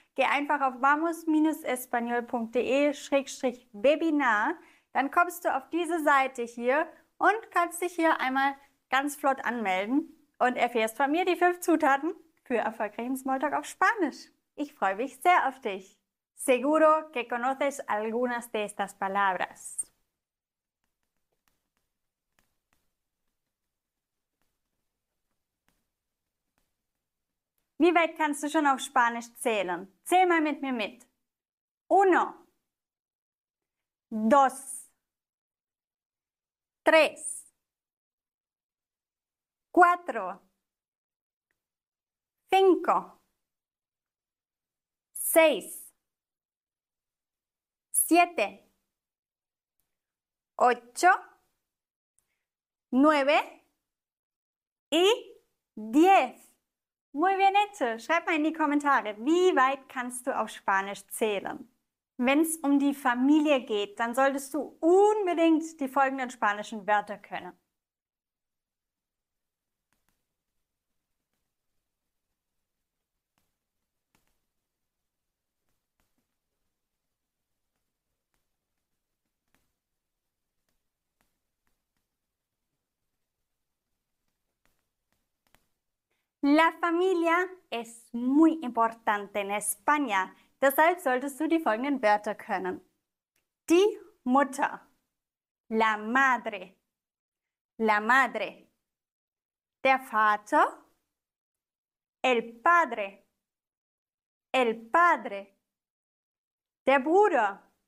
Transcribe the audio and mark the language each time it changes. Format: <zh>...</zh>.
<de>Geh einfach auf vamos-espanol.de/webinar. Dann kommst du auf diese Seite hier und kannst dich hier einmal ganz flott anmelden und erfährst von mir die 5 Zutaten für erfolgreichen Smalltalk auf Spanisch. Ich freue mich sehr auf dich.</de> <es>Seguro que conoces algunas de estas palabras.</es> <de>Wie weit kannst du schon auf Spanisch zählen? Zähl mal mit mir mit.</de> <es>Uno. Dos. Tres. Cuatro. Cinco. Seis, siete, ocho, nueve y diez. Muy bien hecho.</es> <de>Schreib mal in die Kommentare, wie weit kannst du auf Spanisch zählen? Wenn es um die Familie geht, dann solltest du unbedingt die folgenden spanischen Wörter können.</de> <es>La familia es muy importante en España.</es> <de>Deshalb solltest du die folgenden Wörter können. Die Mutter.</de> <es>La madre. La madre.</es> <de>Der Vater.</de> <es>El padre. El padre.</es> <de>Der Bruder.</de>